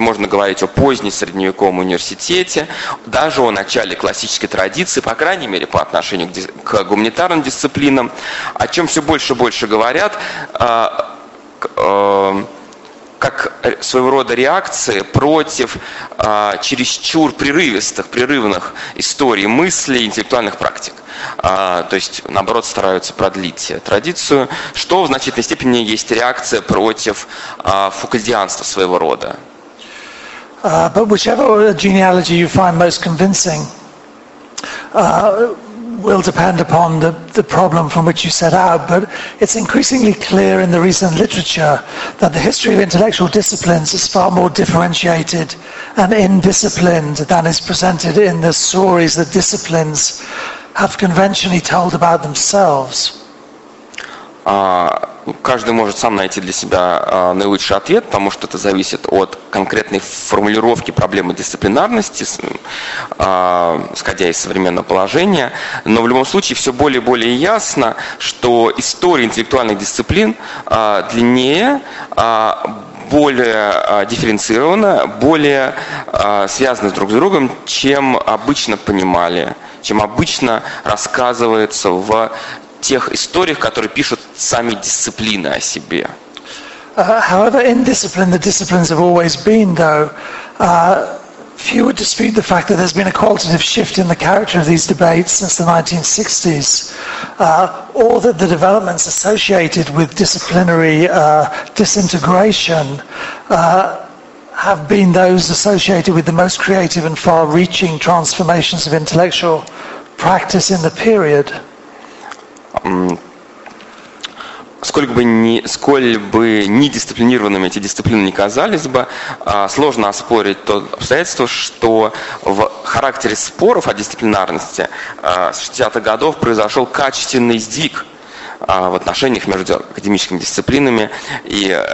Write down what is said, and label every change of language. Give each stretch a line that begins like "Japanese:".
Russian: Можно говорить о позднем средневековом университете, даже о начале классической традиции, по крайней мере, по отношению к гуманитарным дисциплинам, о чем все больше и больше говорят, как своего рода реакции против чересчур прерывных историй мыслей, интеллектуальных практик. То есть, наоборот, стараются продлить традицию, что в значительной степени есть реакция против фукальдианства своего рода.
English: But whichever genealogy you find most convincing, will depend upon the problem from which you set out, but it's increasingly clear in the recent literature that the history of intellectual disciplines is far more differentiated and indisciplined than is presented in the stories that disciplines have conventionally told about themselves.
Russian: каждый может сам найти для себя наилучший ответ, потому что это зависит от конкретной формулировки проблемы дисциплинарности, исходя из современного положения. Но в любом случае все более и более ясно, что история интеллектуальных дисциплин длиннее, более дифференцирована, более связана друг с другом, чем обычно понимали, чем обычно рассказывается в тех историях, которые пишут сами дисциплины о себе.
English: However, in discipline, the disciplines have always been, though, few would dispute the fact that there's been a qualitative shift in the character of these debates since the 1960s, or that the developments associated with disciplinary disintegration have been those associated with the most creative and far-reaching transformations of intellectual practice in the period.
Russian: Сколь бы ни дисциплинированными эти дисциплины ни казались бы, сложно оспорить то обстоятельство, что в характере споров о дисциплинарности с 60-х годов произошел качественный сдвиг в отношениях между академическими дисциплинами, и